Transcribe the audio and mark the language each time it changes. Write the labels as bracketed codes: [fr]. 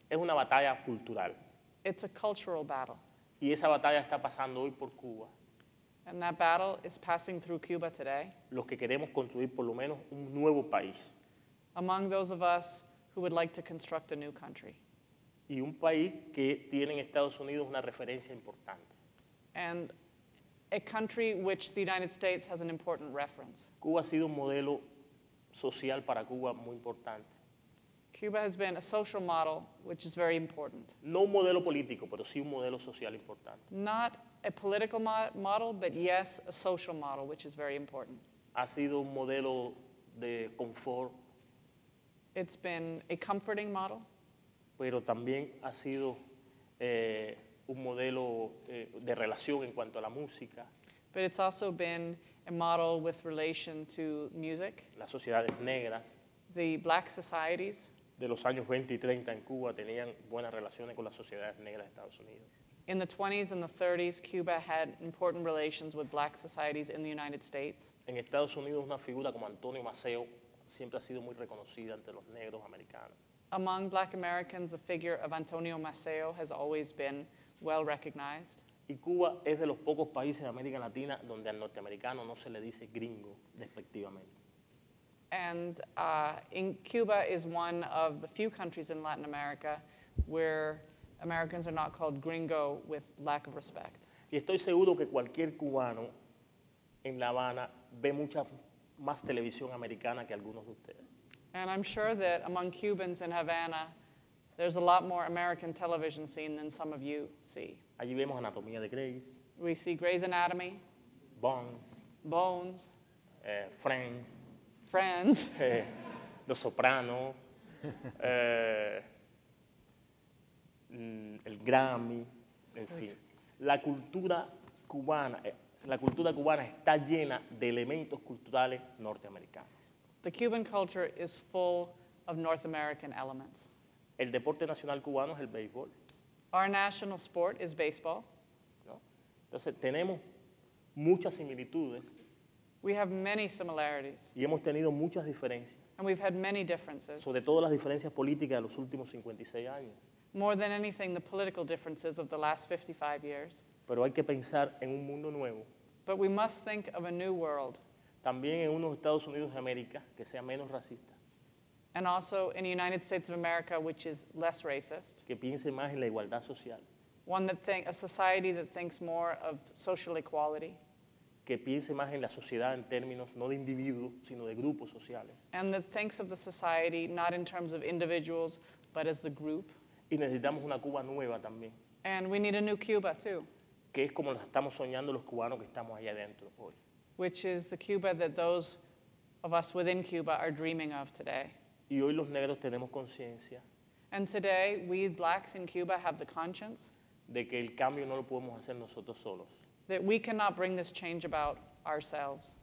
[es] Es una batalla cultural. [en] It's a cultural battle. [es] Y esa batalla está pasando hoy por Cuba. [en] And that battle is passing through Cuba today. [es] Los que queremos construir por lo menos un nuevo país. [en] Among those of us who would like to construct a new country. [es] Y un país que tiene en Estados Unidos una referencia importante. [en] And a country which the United States has an important reference. [es] Cuba ha sido un modelo social para Cuba muy importante. [en] Cuba has been a social model which is very important. [es] No un modelo político, pero sí un modelo social importante. [en] Not a political model, but yes, a social model which is very important. [es] ha sido un modelo de confort. [en] It's been a comforting model. [es] Pero también ha sido un modelo de relación en cuanto a la música. [en] But it's also been a model with relation to music. [es] Las sociedades negras. [en] The black societies. [es] De los años 20 y 30 en Cuba tenían buenas relaciones con las sociedades negras de Estados Unidos. [en] In the 20s and the 30s, Cuba had important relations with black societies in the United States. [es] En Estados Unidos, una figura como Antonio Maceo siempre ha sido muy reconocida entre los negros americanos. [en] Among black Americans, the figure of Antonio Maceo has always been well recognized. [es] Y Cuba es de los pocos países de América Latina donde al norteamericano no se le dice gringo, despectivamente. [en] And in Cuba is one of the few countries in Latin America where Americans are not called gringo with lack of respect. [es] Y estoy seguro que cualquier cubano en La Habana ve mucha más televisión americana que algunos de ustedes. [en] And I'm sure that among Cubans in Havana, there's a lot more American television seen than some of you see. [es] Allí vemos Anatomía de Grey's. [en] We see Grey's Anatomy. Bones. Bones. Friends. Friends. [es] Los Sopranos. El Grammy, en fin. La cultura cubana está llena de elementos culturales norteamericanos. [en] The Cuban culture is full of North American elements. [es] El deporte nacional cubano es el béisbol. [en] Our national sport is baseball. [es] ¿No? Entonces, tenemos muchas similitudes. [en] We have many similarities. [es] Y hemos tenido muchas diferencias. [en] And we've had many differences. [es] Sobre todo las diferencias políticas de los últimos 56 años. [en] More than anything, the political differences of the last 55 years. [es] Pero hay que pensar en un mundo nuevo. [en] But we must think of a new world. [es] También en unos Estados Unidos de América que sea menos racista. [en] And also in the United States of America, which is less racist. [es] Que piense más en la igualdad social. [en] One that a society that thinks more of social equality. [es] Que piense más en la sociedad en términos no de individuos, sino de grupos sociales. [en] And that thinks of the society not in terms of individuals, but as the group. [es] Y necesitamos una Cuba nueva también. [en] And we need a new Cuba too. [es] Que es como la estamos soñando los cubanos que estamos allá adentro hoy. [en] Which is the Cuba that those of us within Cuba are dreaming of today. [es] Y hoy los negros tenemos conciencia. [en] And today, we blacks in Cuba have the conscience. [es] De que el cambio no lo podemos hacer nosotros solos. [en] That we cannot bring this change about ourselves.